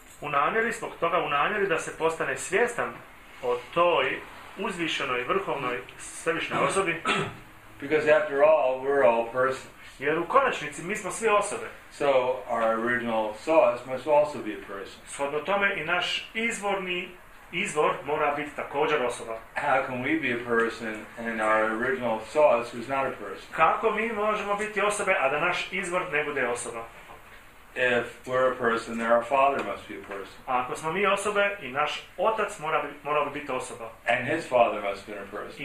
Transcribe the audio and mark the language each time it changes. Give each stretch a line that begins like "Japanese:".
Bosnian: U namjeri zbog toga, u namjeri da se postane svjestan o toj uzvišenoj vrhovnoj svevišnjoj osobi.
English: Because after all, we're all persons.
Bosnian: Jer u konačnici mi smo svi osobe.
English: So our original source must also be a person.
Bosnian: Shodno tome i naš izvorni izvor mora biti također osoba.
English: How can we be a person and our original source who's not a person?
Bosnian: Kako mi možemo biti osobe, a da naš izvor ne bude osoba?
English: If we're a person, then our father must be a person.
Bosnian: A ako smo mi osobe, i naš otac morao bi biti osoba.
English: And his father must be a person.